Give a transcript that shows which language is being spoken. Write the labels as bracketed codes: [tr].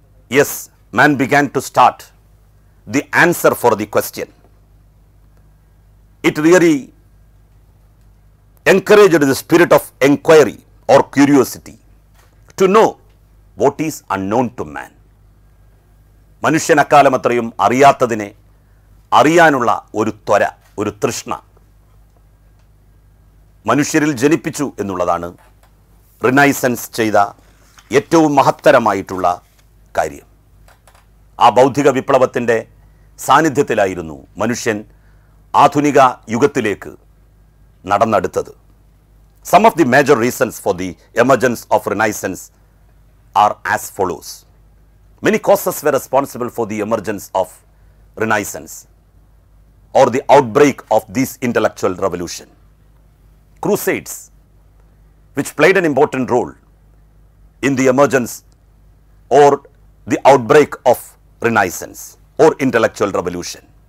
[en] Yes, man began to start the answer for the question. It really encouraged the spirit of inquiry or curiosity to know what is unknown to man. [ml] മനുഷ്യനക്കാലം അത്രയും അറിയാത്തതിനെ അറിയാനുള്ള ഒരു ത്വര, ഒരു തൃഷ്ണ മനുഷ്യരിൽ ജനിപ്പിച്ചു എന്നുള്ളതാണ് renaissance ചെയ്ത ഏറ്റവും മഹത്തരമായിട്ടുള്ള കാര്യം. ആ ബൗദ്ധിക വിപ്ലവത്തിൻ്റെ സാന്നിധ്യത്തിലായിരുന്നു മനുഷ്യൻ ആധുനിക യുഗത്തിലേക്ക് നടന്നെടുത്തത്. [en] Some of the major reasons for the emergence of Renaissance are as follows. Many causes were responsible for the emergence of Renaissance or the outbreak of this intellectual revolution. Crusades, which played an important role in the emergence or the outbreak of Renaissance or intellectual revolution.